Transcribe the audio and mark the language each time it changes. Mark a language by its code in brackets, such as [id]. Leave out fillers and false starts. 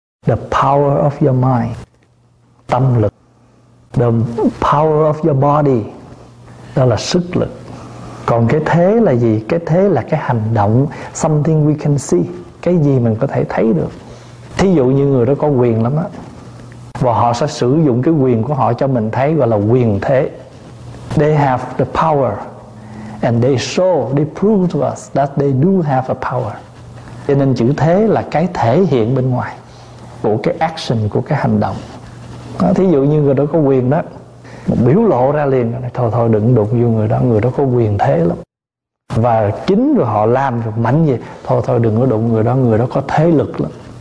[en] The power of your mind, tâm lực. The power of your body, [vi] đó là sức lực. Còn cái thế là gì? Cái thế là cái hành động, [en] something we can see, [vi] cái gì mình có thể thấy được. Thí dụ như người đó có quyền lắm á, và họ sẽ sử dụng cái quyền của họ cho mình thấy, gọi là quyền thế. [en] They have the power, and they show, they prove to us that they do have a power. [vi] Cho nên chữ thế là cái thể hiện bên ngoài của cái action, của cái hành động. Thí dụ như người đó có quyền đó, một biểu lộ ra liền, thôi thôi đừng đụng vô người đó, người đó có quyền thế lắm. Và chính rồi họ làm rồi mạnh vậy, thôi thôi đừng có đụng người đó có thế lực lắm.